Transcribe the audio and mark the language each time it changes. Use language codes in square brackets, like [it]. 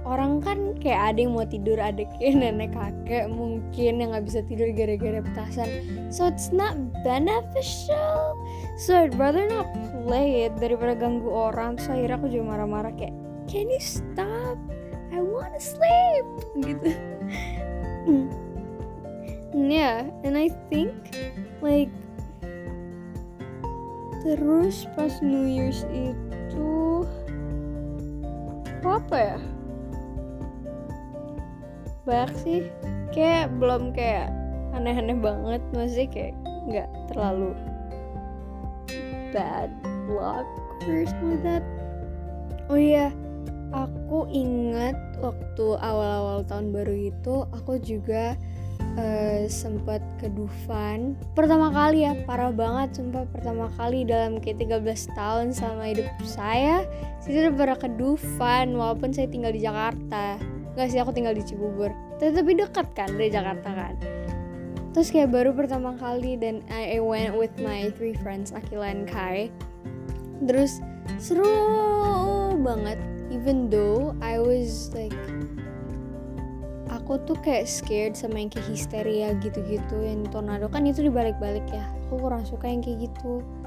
[id] Orang kan kayak ada yang mau tidur, ada kayak nenek kakek mungkin yang gak bisa tidur gara-gara petasan. [en] So it's not beneficial. So I'd rather not play it [id] daripada ganggu orang. Terus akhirnya aku juga marah-marah kayak, [en] can you stop? I wanna sleep. [id] Gitu. [en] Yeah, and I think like [id] terus pas New Year's itu apa ya, banyak sih, kayak belum kayak aneh-aneh banget, masih kayak nggak terlalu [en] bad luck first with that. [id] Oh iya, yeah. Aku ingat waktu awal-awal tahun baru itu aku juga sempat ke Dufan pertama kali, ya parah banget sumpah, pertama kali dalam kayak 13 tahun selama hidup saya itu pernah ke Dufan walaupun saya tinggal di Jakarta. Enggak sih, aku tinggal di Cibubur, tapi dekat kan dari Jakarta kan. Terus kayak baru pertama kali, dan [en] I went with my three friends, Akila and Kai. [id] Terus seru banget, [en] even though I was like, [id] aku tuh kayak scared sama yang kayak histeria gitu-gitu, yang tornado kan itu dibalik-balik ya, aku kurang suka yang kayak gitu.